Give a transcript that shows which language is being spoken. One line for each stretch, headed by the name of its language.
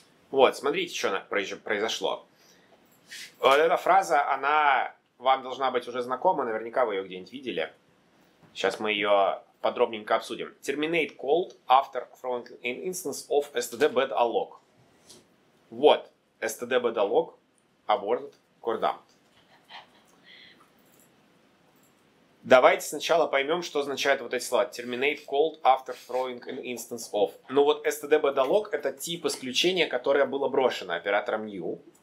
Russian: Вот, смотрите, что произошло. Вот эта фраза, она... Вам должна быть уже знакома, наверняка вы ее где-нибудь видели. Сейчас мы ее подробненько обсудим.
English: Terminate called after from an instance of stdbed.alloc. Вот, stdbed.alloc aborted core dumped.
Russian: Давайте сначала поймем, что означают вот эти слова.
English: Terminate called after throwing an instance of.
Russian: Ну вот stdbed.alloc это тип исключения, которое было брошено оператором new.